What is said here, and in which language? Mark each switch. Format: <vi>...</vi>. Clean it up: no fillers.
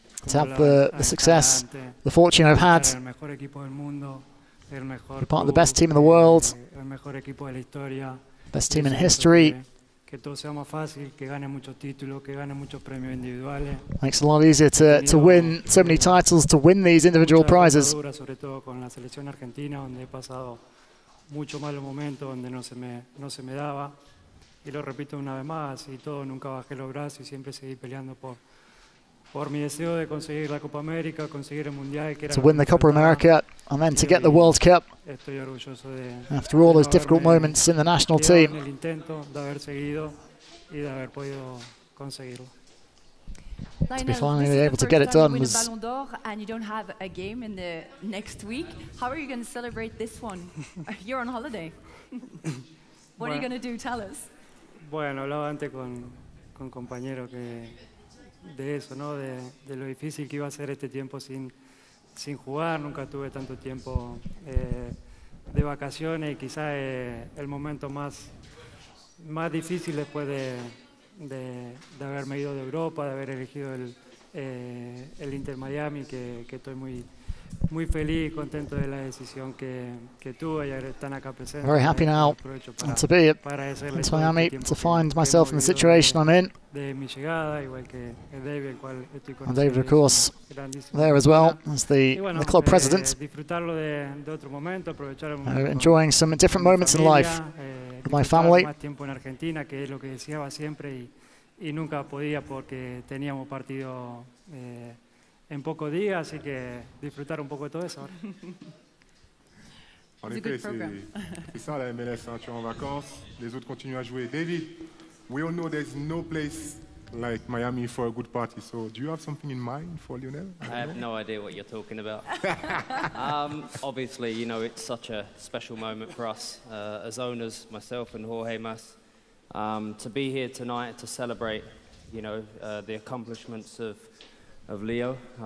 <en>to have the success, the fortune I've had.</en> <es>El mejor equipo del mundo, el mejor</es> <en>club, part of the best team in the world.</en> <es>El mejor equipo de la historia.</es> <en>Best team in history.</en> <es>Que todo sea más fácil, que gane muchos títulos, que gane muchos premios individuales.</es> <en>Makes it a lot easier to win so many titles, to win these individual prizes.</en> <es>Sobre todo con la selección argentina, donde he pasado mucho malo momento, donde no se me daba, y lo repito una vez más, y todo, nunca bajé los brazos y siempre seguí peleando por mi deseo de conseguir la Copa América, conseguir el Mundial, que era</es> <en>to win the Copa America and then to get the World Cup.</en> <es>Estoy orgulloso de</es> <en>after all those difficult moments in the national team.</en> <es>El intento de haber seguido y de haber podido conseguirlo.</es> <en>To be finally able to get it done was. Ballon d'Or, and you don't have a game in the next week. How are you going to celebrate this one? You're on holiday. What are you going to do? Tell us.</en> <es>Bueno, hablaba antes con compañero que de eso, ¿no? De lo difícil que iba a ser este tiempo sin jugar. Nunca tuve tanto tiempo de vacaciones. Quizá el momento más difícil después de haberme ido de Europa, de haber elegido el Inter Miami, que estoy muy muy feliz, contento de la decisión que tuve y ahora están acá presentes.</es> <en>Very happy now to be in Miami, to find myself in the situation I'm in.</en> <es>De mi llegada, igual que David, el cual estoy con.</es> <en>And David, of course, there as well as the club president.</en> <es>Disfrutarlo de otro momento, aprovechar el momento.</es> <en>Enjoying some different moments in life with my family.</en> <es>Más tiempo en Argentina, que es lo que deseaba siempre y nunca podía porque teníamos partido. En poco día, así que disfrutar un poco de todo eso.</es> <fr>En effet, c'est ça la MLS, hein. Tu es en vacances, les autres continuent à jouer.</fr> <en>David, we all know there's no place like Miami for a good party. So, do you have something in mind for Lionel? I have no idea what you're talking about. obviously, you know, it's such a special moment for us as owners, myself and Jorge Mas, to be here tonight to celebrate, you know, the accomplishments of Leo.</en>